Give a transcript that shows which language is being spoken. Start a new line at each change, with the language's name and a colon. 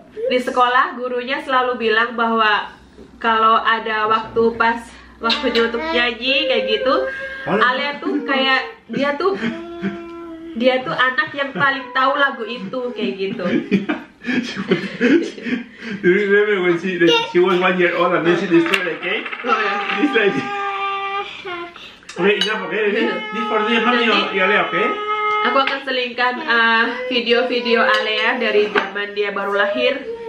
Indonesian: Di sekolah gurunya selalu bilang bahwa kalau ada waktu pas waktunya untuk nyanyi kayak gitu, Alia tuh kayak dia tuh anak yang paling tahu lagu itu kayak gitu.
English: Do you remember when she was 1 year old and then she destroyed the cake? It's like, okay, enough, okay, this for the mommy and Alia, okay?
Indonesian: Aku akan selingkan video-video Alia dari zaman dia baru lahir.